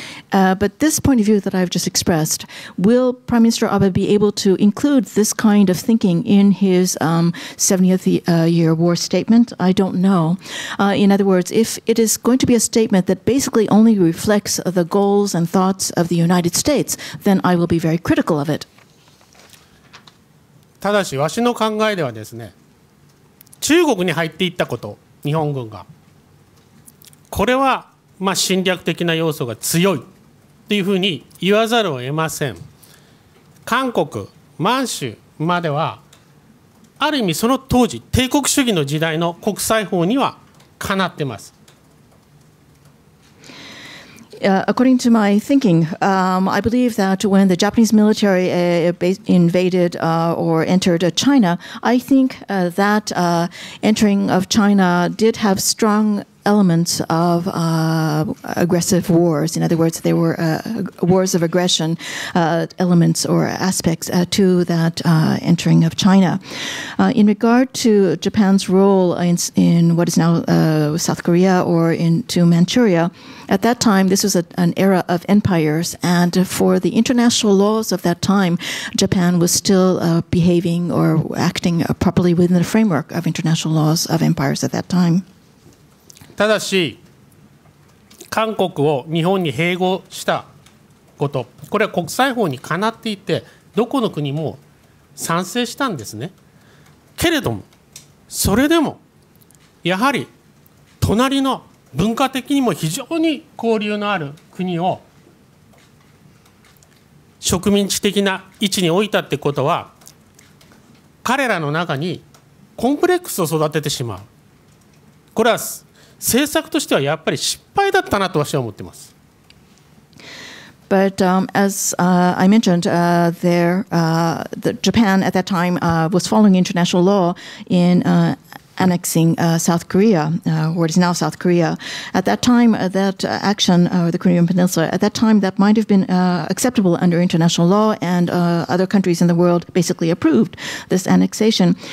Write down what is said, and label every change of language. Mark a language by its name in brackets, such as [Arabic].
[English] But this point of view that I've just expressed, will Prime Minister Abe be able to include this kind of thinking in his 70th year war statement? I don't know. In other words, if it is going to be a statement that basically only reflects the goals and thoughts of the United States, then I will be very critical of it. [Japanese] ただし、わしの考えではですね、中国に入っていったこと、日本軍が、これは、まあ、侵略的な要素が強いというふうに言わざるを得ません。韓国、満州までは、ある意味その当時、帝国主義の時代の国際法にはかなってます。 [English] According to my thinking, I believe that when the Japanese military invaded or entered China, I think that entering of China did have strong elements of aggressive wars. In other words, there were wars of aggression elements or aspects to that entering of China. In regard to Japan's role in what is now South Korea or into Manchuria, at that time, this was an era of empires, and for the international laws of that time, Japan was still behaving or acting properly within the framework of international laws of empires at that time. [Japanese] ただし、韓国を日本に併合したこと、これは国際法にかなっていて、どこの国も賛成したんですね。けれども、それでも、やはり隣の文化的にも非常に交流のある国を植民地的な位置に置いたってことは、彼らの中にコンプレックスを育ててしまう。これは政策としてはやっぱり失敗だったなと私は思ってます。 [English] But as I mentioned, there, the Japan at that time was following international law in annexing South Korea, what is now South Korea. At that time, that action, the Korean Peninsula, at that time, that might have been acceptable under international law, and other countries in the world basically approved this annexation.